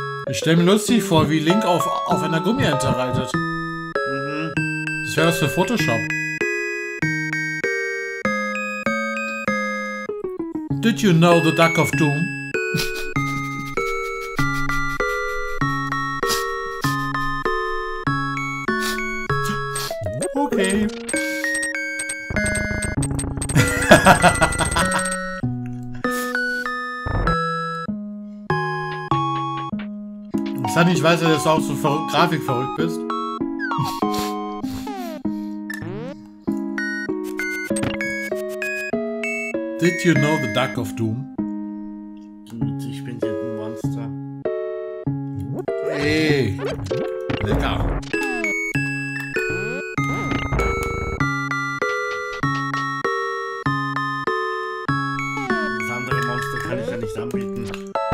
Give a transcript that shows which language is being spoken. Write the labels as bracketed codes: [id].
[de] Ich stelle mir lustig vor, wie Link auf einer Gummiente reitet. Mhm. Das wäre was für Photoshop. [en] Did you know the Duck of Doom? Okay. [de] Sunny, ich weiß ja, dass du auch so grafikverrückt bist. [en] Did you know the Duck of Doom? [de] Ich bin hier ein Monster. Ey, lecker. Das andere Monster kann ich ja nicht anbieten.